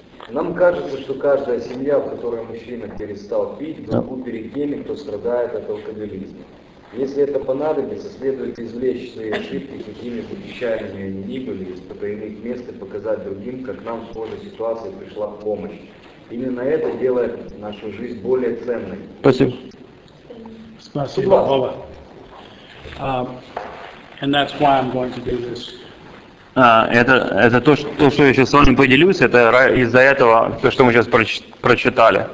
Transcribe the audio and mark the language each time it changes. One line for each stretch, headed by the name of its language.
Russian: Нам кажется, что каждая семья, в которой мужчина перестал пить, должна перед теми, кто страдает от алкоголизма. Если это понадобится, следует извлечь свои ошибки, какими бы печальными они ни были, из потайных мест и показать другим, как нам в схожей ситуации пришла помощь. Именно это делает нашу жизнь более ценной. Спасибо. Спасибо, Боба.
English: And that's why I'm going to do this.
Russian: Это то, что я сейчас с вами поделюсь, это из-за этого, то, что мы сейчас прочитали.